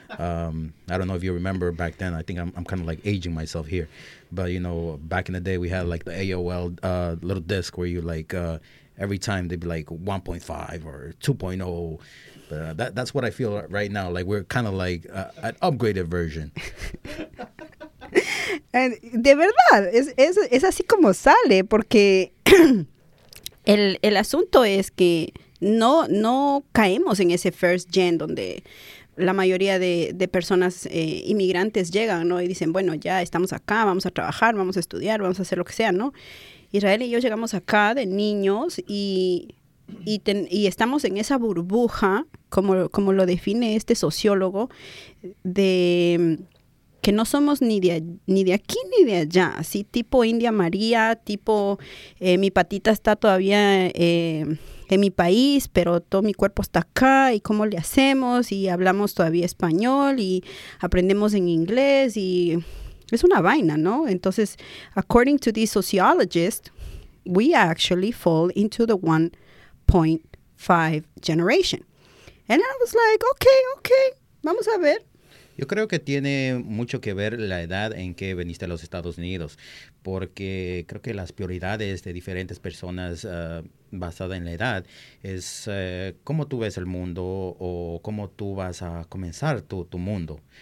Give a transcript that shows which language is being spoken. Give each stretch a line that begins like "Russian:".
English: I don't know if you remember back then. I think I'm kind of like aging myself here. But, you know, back in the day, we had like the AOL little disc where you like every time they'd be like 1.5 or 2.0. But that's what I feel right now. Like we're kind of like an upgraded version.
Spanish: De verdad, es así como sale, porque el asunto es que no caemos en ese
English: first gen
Spanish: donde la mayoría de personas inmigrantes llegan, ¿no? Y dicen, bueno, ya estamos acá, vamos a trabajar, vamos a estudiar, vamos a hacer lo que sea, ¿no? Israel y yo llegamos acá de niños y estamos en esa burbuja, como lo define este sociólogo, de... que no somos ni de aquí ni de allá, así tipo India María, tipo mi patita está todavía en mi país, pero todo mi cuerpo está acá, y cómo le hacemos, y hablamos todavía español, y aprendemos en inglés, y es una vaina, ¿no?
English: Entonces, according to these sociologists, we actually fall into the 1.5 generation. And I was like, okay,
Spanish: vamos a ver. Yo creo que tiene mucho que ver la edad en que viniste a los Estados Unidos, porque creo que las prioridades de diferentes personas basada en la edad es cómo tú ves el mundo o cómo tú vas a comenzar tu mundo.